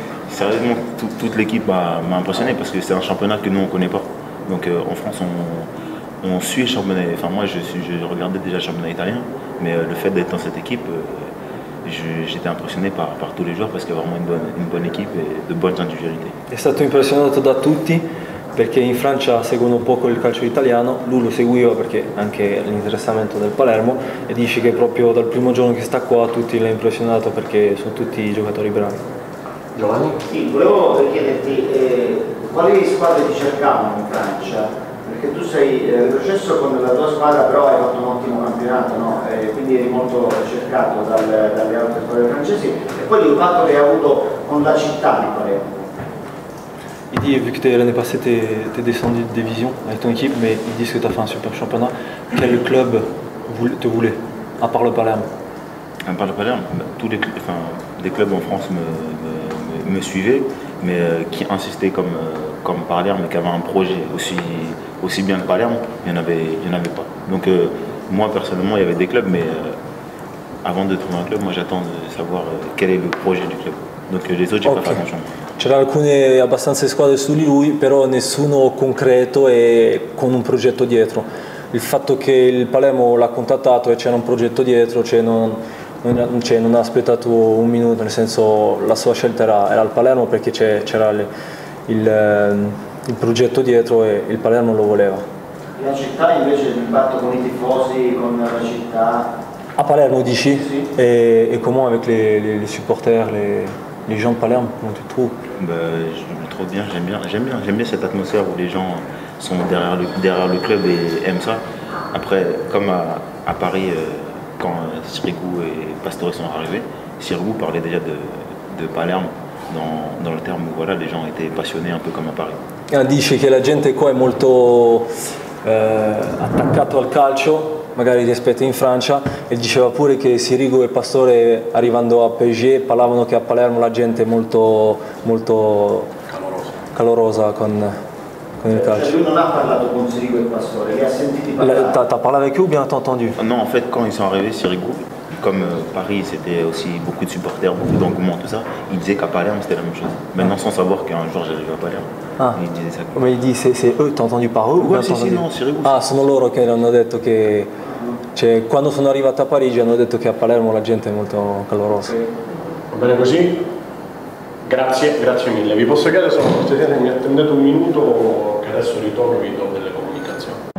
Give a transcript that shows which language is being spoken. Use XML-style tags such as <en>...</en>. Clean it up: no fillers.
<fr>Sérieusement, toute l'équipe m'a impressionné parce que c'est un championnat que nous on connaît pas. Donc en France, on suit le championnat. Enfin, moi, je regardais déjà le championnat italien, mais le fait d'être dans cette équipe, j'étais impressionné par tous les joueurs parce qu'il y a vraiment une bonne équipe et de bonnes individualités.</fr> <it>È stato impressionato da tutti. Perché in Francia seguono poco il calcio italiano, lui lo seguiva perché anche l'interessamento del Palermo, e dice che proprio dal primo giorno che sta qua tutti l'ha impressionato perché sono tutti giocatori bravi. Giovanni? Sì, volevo chiederti quali squadre ti cercavano in Francia? Perché tu sei retrocesso con la tua squadra, però hai fatto un ottimo campionato, no? Quindi eri molto cercato dalle altre squadre francesi, e poi l'impatto che hai avuto con la città di Palermo.</it> <fr>Il dit, vu que l'année passée t'es descendu de division avec ton équipe, mais ils disent que t'as fait un super championnat. Quel club te voulait, à part le Palerme? À part le Palerme, tous les clubs, enfin, des clubs en France me suivaient, mais qui insistaient comme Palerme, qui avaient un projet aussi bien que Palerme, il n'y en avait pas. Donc moi personnellement, il y avait des clubs, mais avant de trouver un club, moi j'attends de savoir quel est le projet du club. Donc les autres, j'ai pas fait attention.</fr> <it>C'erano alcune abbastanza squadre su di lui, però nessuno concreto e con un progetto dietro. Il fatto che il Palermo l'ha contattato e c'era un progetto dietro, non ha aspettato un minuto, nel senso la sua scelta era il Palermo perché c'era il progetto dietro e il Palermo lo voleva. La città invece, l'impatto con i tifosi, con la città? A Palermo dici? Sì. E come</it> <fr>avec les supporters, les gens de Palerme, comment tu trouves? Ben, je le trouve bien, j'aime bien cette atmosphère où les gens sont derrière le club et aiment ça. Après, comme à Paris, quand Sirigu et Pastore sont arrivés, Sirigu parlait déjà de Palerme dans le terme où voilà, les gens étaient passionnés un peu comme à Paris. On dit que</fr> <it>la gente qua est molto attaccato al calcio. Magari rispetto in Francia, e diceva pure che Sirigu e Pastore arrivando a PSG parlavano che a Palermo la gente è molto, molto calorosa con il calcio. Cioè lui non ha parlato con Sirigu e Pastore, li ha sentiti parlare.</it> <fr>T'as parlé avec eux ou bien t'as entendu? Non, en fait, quand ils sont arrivés, Sirigu, comme Paris c'était aussi beaucoup de supporters, beaucoup d'engouement, tout ça, il disait qu'à Palermo c'était la même chose. Maintenant, sans savoir qu'un jour j'arrive à Palermo. Ah, il disait ça. Mais il dit, c'est eux, t'as entendu par eux? Ouais, ou si, non, Sirigu.</fr> <it>Ah, sono loro che hanno detto che. Cioè, quando sono arrivato a Parigi hanno detto che a Palermo la gente è molto calorosa. Va bene così? Grazie, grazie mille. Vi posso chiedere solo se mi attendete un minuto, che adesso ritorno e vi do delle comunicazioni.</it>